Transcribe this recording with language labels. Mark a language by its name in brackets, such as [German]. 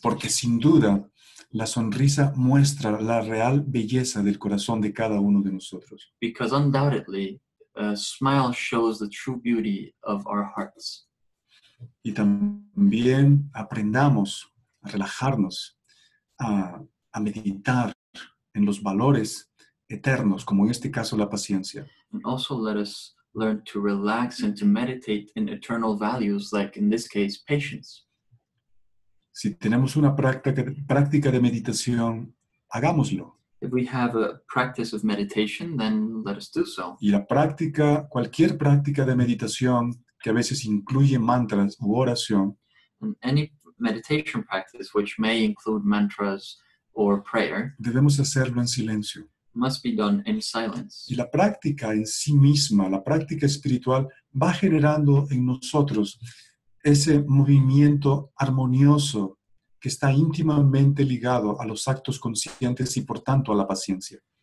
[Spanish] Porque sin duda, la sonrisa muestra la real belleza del corazón de cada uno de nosotros. [English] Because undoubtedly, a smile shows the true beauty of our hearts. [Spanish] Y también aprendamos a relajarnos, a meditar en los valores eternos, como en este caso la paciencia. [English] And also let us learn to relax and to meditate in eternal values, like in this case, patience. [Spanish] Si tenemos una práctica de meditación, hagámoslo. [English] If we have a practice of meditation, then let us do so. [Spanish] Y la práctica, cualquier práctica de meditación que a veces incluye mantras u oración. [English] And any meditation practice which may include mantras or prayer. [Spanish] Debemos hacerlo en silencio. [English] Must be done in silence. [Spanish] Y la práctica en sí misma, la práctica espiritual, va generando en nosotros ese movimiento armonioso que está íntimamente ligado a los actos conscientes y, por tanto, a la paciencia.